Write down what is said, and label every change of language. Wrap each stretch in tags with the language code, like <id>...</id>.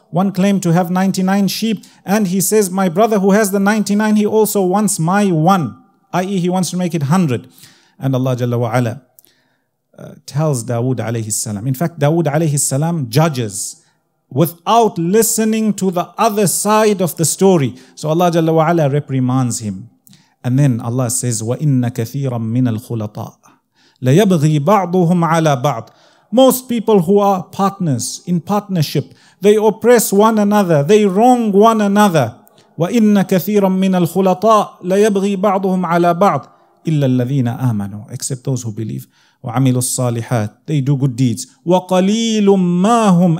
<en>One claimed to have 99 sheep, and he says, my brother who has the 99, he also wants my one, i.e. he wants to make it 100. And Allah Jalla wa Ala tells Dawood alayhi salam. In fact, Dawood alayhi salam judges without listening to the other side of the story. So Allah Jalla wa Ala reprimands him. And then Allah says,</en> <ar>وَإِنَّ كَثِيرًا مِّنَ الْخُلَطَاءِ لَيَبْغِي بَعْضُهُمْ عَلَى بَعْضٍ.</ar> <en>Most people who are partners, in partnership, they oppress one another, they wrong one another.</en> <ar>وَإِنَّ كَثِيرًا مِّنَ الْخُلَطَاءِ لَيَبْغِي بَعْضُهُمْ عَلَى بَعْضٍ إِلَّا الَّذِينَ آمَنُوا.</ar> <en>Except those who believe.</en> <ar>وَعَمِلُوا الصَّالِحَاتِ.</ar> <en>They do good deeds.</en> <ar>وَقَلِيلٌ مَا هُمْ.</ar>